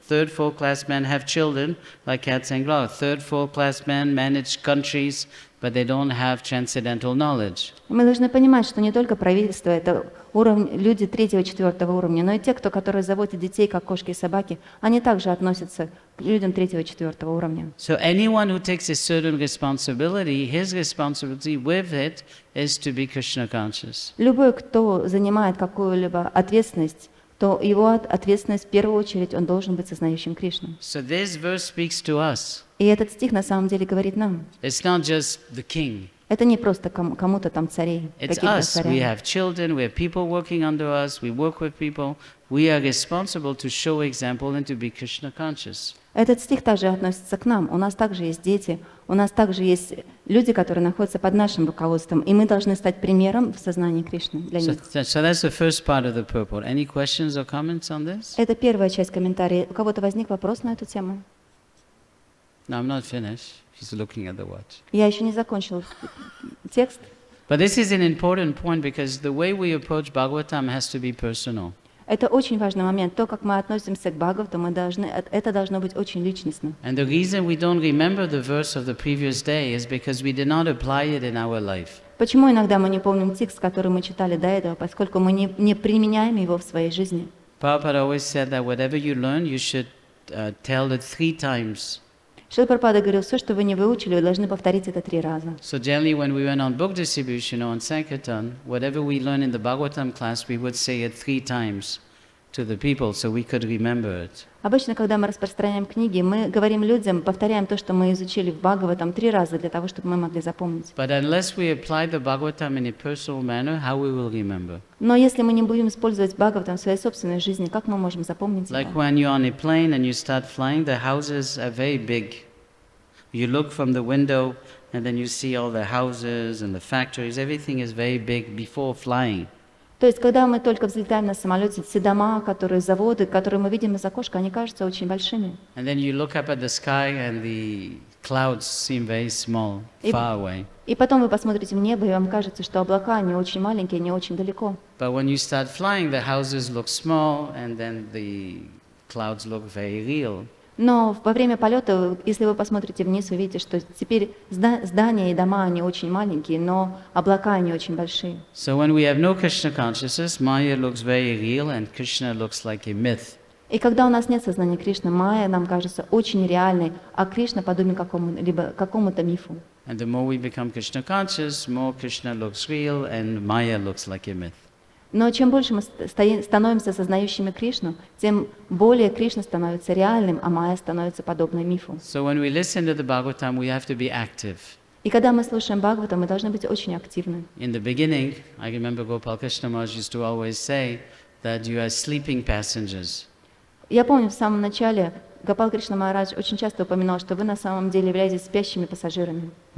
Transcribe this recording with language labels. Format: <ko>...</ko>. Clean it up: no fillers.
<en>Third, fourth class men have children, like cats and dogs. Third, fourth class men manage countries, but they don't have transcendental knowledge.</en> <ru>Мы должны понимать, что не только правительство — это люди третьего и четвертого уровня, но и те, которые заводят детей, как кошки и собаки, они также относятся к людям третьего и четвертого уровня.</ru> <en>So anyone who takes a certain responsibility, his responsibility with it is to be Krishna conscious.</en> <ru>Любой, кто занимает какую-либо ответственность, то его ответственность в первую очередь он должен быть сознающим Кришну.</ru> <en>So this verse speaks to us.</en> <ru>И этот стих на самом деле говорит нам.</ru> <en>It's not just the king.</en> <ru>Это не просто кому-то там царей.</ru> <en>It's us. We have children. We have people working under us. We work with people. We are responsible to show example and to be Krishna conscious.</en> <ru>Этот стих также относится к нам. У нас также есть дети. У нас также есть люди, которые находятся под нашим руководством, и мы должны стать примером в сознании Кришны для них.</ru> <en>So that's the first part of the purport. Any questions or comments on this?</en> <ru>Это первая часть комментария. У кого-то возник вопрос на эту тему?</ru> <en>No, I'm not finished. She's looking at the watch.</en> <ru>Я еще не закончила текст.</ru> <en>But this is an important point because the way we approach Bhagavatam has to be personal.</en> <ru>Это очень важный момент. То, как мы относимся к Бхагавату, мы должны, это должно быть очень личностно.</ru> <en>And the reason we don't remember the verse of the previous day is because we did not apply it in our life.</en> <ru>Почему иногда мы не помним текст, который мы читали до этого, поскольку мы не применяем его в своей жизни?</ru> <en>Prabhupada always said that whatever you learn, you should tell it three times.</en> <ru>Шрила Прабхупада говорил, все, что вы не выучили, вы должны повторить это три раза.</ru> <en>So generally, when we went on book distribution or on sankirtan, whatever we learn in the Bhagavatam class, we would say it three times to the people, so we could remember it.</en> <ru>Обычно, когда мы распространяем книги, мы говорим людям, повторяем то, что мы изучили в Бхагаватам три раза для того, чтобы мы могли запомнить.</ru> <en>But unless we apply the Bhagavatam in a personal manner, how we will remember?</en> <ru>Но если мы не будем использовать Бхагаватам в своей собственной жизни, как мы можем запомнить это?</ru> <en>Like when you're on a plane and you start flying, the houses are very big. You look from the window and then you see all the houses and the factories. Everything is very big before flying.</en> <ru>То есть, когда мы только взлетаем на самолете, все дома, которые заводы, которые мы видим из окошка, они кажутся очень большими.</ru> <en>And then you look up at the sky and the clouds seem very small, far away.</en> <ru>И потом вы посмотрите в небо, и вам кажется, что облака, они очень маленькие, они очень далеко.</ru> <en>But when you start flying, the houses look small, and then the clouds look very real.</en> <ru>Но во время полета, если вы посмотрите вниз, вы видите, что теперь здания и дома, они очень маленькие, но облака, они очень большие.</ru> <en>So when we have no Krishna consciousness, Maya looks very real, and Krishna looks like a myth.</en> <ru>И когда у нас нет сознания Кришны, Майя нам кажется очень реальной, а Кришна подобен какому-то мифу.</ru> <en>And the more we become Krishna conscious, more Krishna looks real, and Maya looks like a myth.</en> <ru>Но чем больше мы становимся сознающими Кришну, тем более Кришна становится реальным, а Майя становится подобной мифу.</ru> <en>So when we listen to the Bhagavatam, we have to be active.</en> <ru>И когда мы слушаем Бхагавату, мы должны быть очень активны.</ru> <en>In the beginning, I remember Gopal Krishna Maharaj used to always say that you are sleeping passengers.</en> <ru>Я помню, в самом начале Гопал Кришна Махарадж очень часто упоминал, что вы на самом деле являетесь спящими пассажирами.</ru>